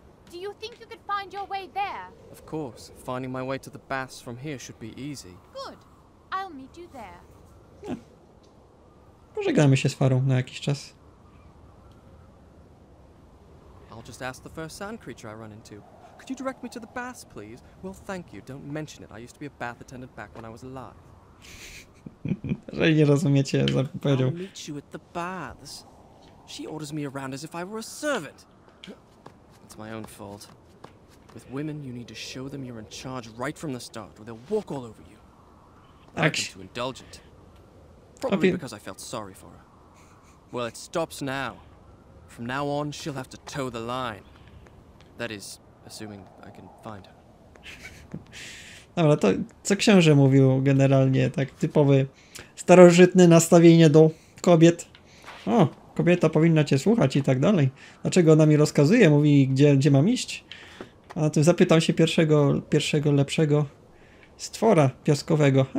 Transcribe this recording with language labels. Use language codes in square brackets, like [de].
[en] Do you think you could find your way there? Of course. Finding my way to the baths from here should be easy. Good. I'll meet you there. [pl] Pożegnamy się z Farą na jakiś czas. [en] I'll just ask the first sand creature I run into. Could you direct me to the baths, please? Well, thank you. Don't mention it. I used to be a bath attendant back when I was alive. [pl] Jeżeli nie rozumiecie, co powiedział. [en] I'll meet you at the baths. She orders me around as if I were a servant. It's my own fault. With women, you need to show them you're in charge right from the start, or they'll walk all over you. I've been too indulgent. Probably because I felt sorry for her. Well, it stops now. From now on, she'll have to toe the line. That is, assuming I can find her. [pl] Dobra, to co książę mówił generalnie, tak typowy starożytne nastawienie do kobiet. O. Kobieta powinna cię słuchać i tak dalej. Dlaczego ona mi rozkazuje? Mówi, gdzie mam iść? A tym zapytam się pierwszego lepszego stwora piaskowego.